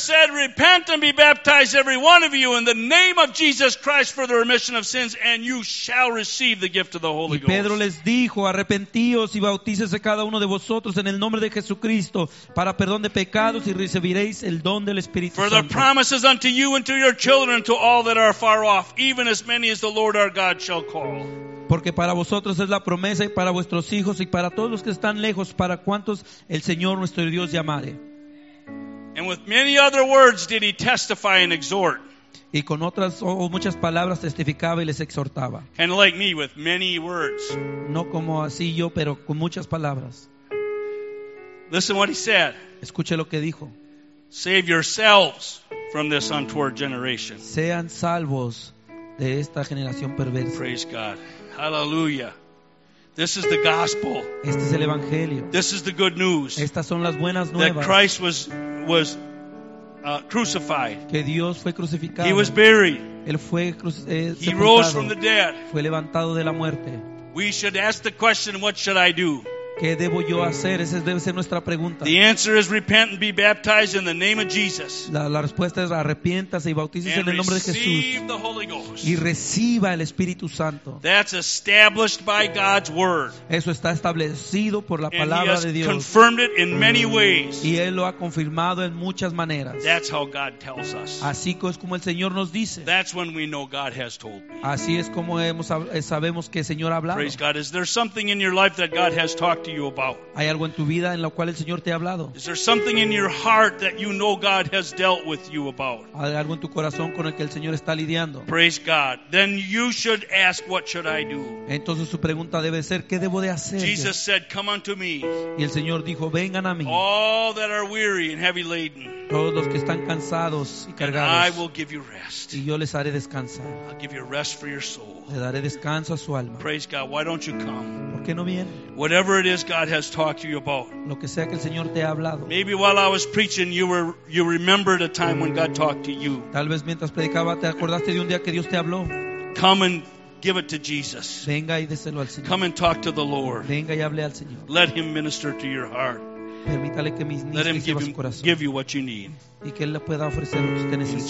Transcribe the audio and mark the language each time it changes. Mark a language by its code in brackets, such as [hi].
[en] Said, repent and be baptized every one of you in the name of Jesus Christ for the remission of sins, and you shall receive the gift of the Holy Ghost. [es] Y Pedro les dijo, arrepentíos y bautícese cada uno de vosotros en el nombre de Jesucristo para perdón de pecados y recibiréis el don del Espíritu Santo. [en] For the promises unto you and to your children to all that are far off, even as many as the Lord our God shall call. [es] Porque para vosotros es la promesa y para vuestros hijos y para todos los que están lejos, para cuantos el Señor nuestro Dios llamare. [en] And with many other words did he testify and exhort. [es] Y con otras o muchas palabras testificaba y les exhortaba. [en] And like me, with many words. [es] No como así yo, pero con muchas palabras. [en] Listen what he said. [es] Escuche lo que dijo. [en] Save yourselves from this untoward generation. [es] Sean salvos de esta generación perversa. [en] Praise God. Hallelujah. This is the gospel. [es] Este es el evangelio. [en] This is the good news. [es] Estas son las buenas nuevas. [en] That Christ was crucified. [es] Que Dios fue crucificado. [en] He was buried. [es] Él fue [en] He rose from the dead. [es] Fue levantado de la muerte. [en] We should ask the question, what should I do? [es] ¿Qué debo yo hacer? Esa debe ser nuestra pregunta. [en] The answer is repent and be baptized in the name of Jesus. [es] La respuesta es arrepiéntase y bautícese en el nombre de Jesús. [en] And receive the Holy Ghost. [es] Y reciba el Espíritu Santo. [en] That's established by God's word. [es] Eso está establecido por la palabra de Dios. [en] And He has confirmed it in many ways. [es] Y Él lo ha confirmado en muchas maneras. [en] That's how God tells us. [es] Así es como el Señor nos dice. [en] That's when we know God has told me. [es] Así es como sabemos que el Señor ha hablado. [en] Praise God. Is there something in your life that God has talked to you about? [es] ¿Hay algo en tu vida en lo cual el Señor te ha hablado? [en] Is there something in your heart that you know God has dealt with you about? [es] ¿Hay algo en tu corazón con el que el Señor está lidiando? [en] Praise God. Then you should ask, what should I do? [es] Entonces su pregunta debe ser, ¿qué debo de hacer? [en] Jesus said, come unto me. [es] Y el Señor dijo, vengan a mí. [en] All that are weary and heavy laden. [es] Todos los que están cansados y cargados. [en] I will give you rest. [es] Y yo les haré descansar. [en] I'll give you rest for your soul. [es] Le daré descanso a su alma. [en] Praise God. Why don't you come? [es] ¿Por qué no viene? [en] Whatever it is God has talked to you about. [es] Lo que sea que el Señor te ha hablado. [en] Maybe while I was preaching, you remembered a time when God talked to you. [es] Tal vez mientras predicaba te acordaste de un día que Dios te habló. [en] Come and give it to Jesus. [es] Venga y déselo al Señor. [en] Come and talk to the Lord. [es] Venga y hable al Señor. [en] Let Him minister to your heart. [es] Permítale que ministre a su corazón. [en] Give you what you need. [es] Y que Él le pueda ofrecer lo que usted necesita.